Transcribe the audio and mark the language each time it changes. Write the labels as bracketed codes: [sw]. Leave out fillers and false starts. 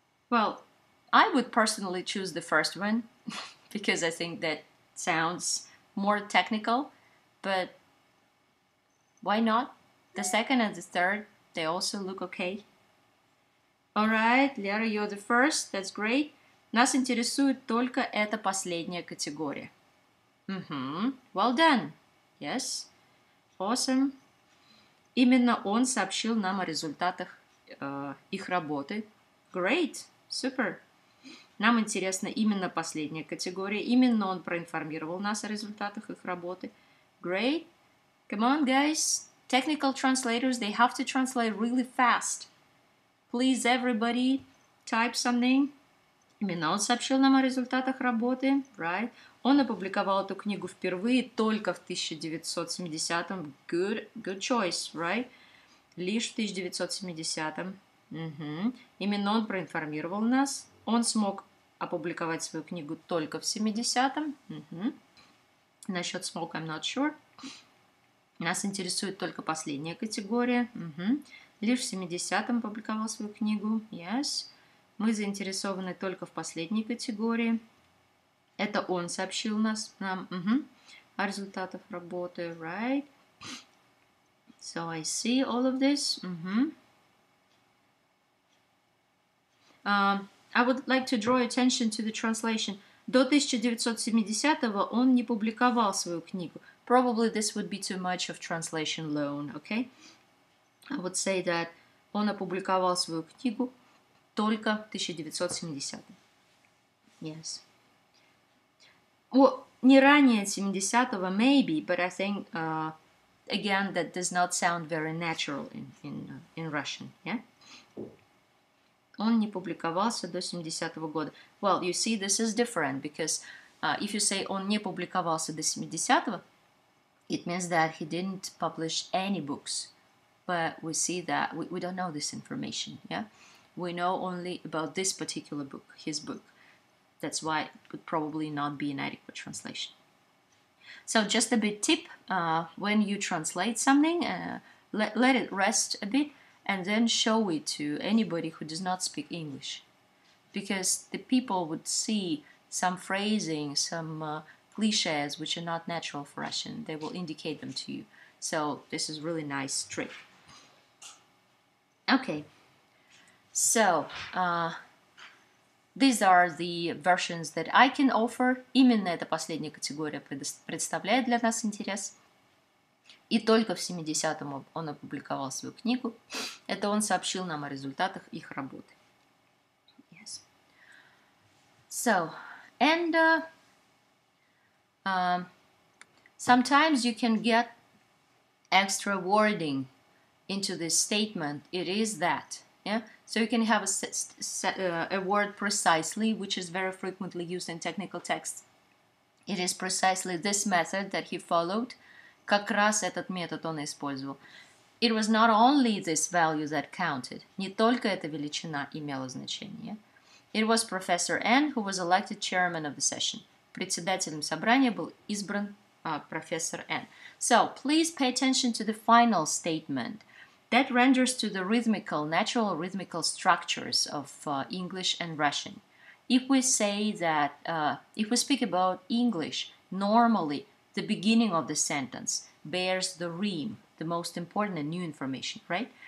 [en] Well, I would personally choose the first one because I think that sounds more technical, but why not? The second and the third, they also look okay. All right, Lera, you're the first. That's great. [ru] Нас интересует только эта последняя категория. [en] Mm-hmm. Well done. Yes. Awesome. [ru] Именно он сообщил нам о результатах их работы. [en] Great. Super. [ru] Нам интересна именно последняя категория. Именно он проинформировал нас о результатах их работы. [en] Great. Come on, guys. Technical translators, they have to translate really fast. Please, everybody, type something. [ru] Именно он сообщил нам о результатах работы. [en] Right. [ru] Он опубликовал эту книгу впервые только в 1970-м. [en] Good choice, right? [ru] Лишь в 1970-м. [en] Mm-hmm. [ru] Именно он проинформировал нас. Он смог опубликовать свою книгу только в 70-м. [en] Mm-hmm. [ru] Насчет смог, [en] I'm not sure. [ru] Нас интересует только последняя категория. [en] Mm-hmm. [ru] Лишь в 70-м опубликовал свою книгу. [en] Yes. [ru] Мы заинтересованы только в последней категории. Это он сообщил нам о результатах работы, [en] right? So I see all of this. Mm-hmm. I would like to draw attention to the translation. [ru] До 1970-го он не публиковал свою книгу. [en] Probably this would be too much of translation alone, okay? I would say that [ru] он опубликовал свою книгу только в 1970-м. [en] Yes. Well, [ru] не ранее 70-го, [en] maybe, but I think, again, that does not sound very natural in Russian, yeah? [ru] Он не публиковался до 70-го года. [en] Well, you see, this is different, because if you say [ru] он не публиковался до 70-го, [en] it means that he didn't publish any books. But we see that we don't know this information, yeah? We know only about this particular book, his book. That's why it would probably not be an adequate translation. So just a bit tip, when you translate something, let it rest a bit and then show it to anybody who does not speak English. Because the people would see some phrasing, some cliches which are not natural for Russian. They will indicate them to you. So this is a really nice trick. Okay. So, these are the versions that I can offer. [ru] Именно эта последняя категория представляет для нас интерес. И только в 70-м он опубликовал свою книгу. Это он сообщил нам о результатах их работы. [en] Yes. So, and sometimes you can get extra wording into this statement. It is that. Yeah, so you can have a word precisely, which is very frequently used in technical texts. It is precisely this method that he followed. [ru] Как раз этот метод он использовал. [en] It was not only this value that counted. [ru] Не только эта величина имела значение. [en] It was Professor N who was elected chairman of the session. [ru] Председателем собрания был избран профессор N. [en] So please pay attention to the final statement. That renders to the rhythmical, natural rhythmical structures of English and Russian. If we say that, if we speak about English, normally the beginning of the sentence bears the rhyme, the most important and new information, right?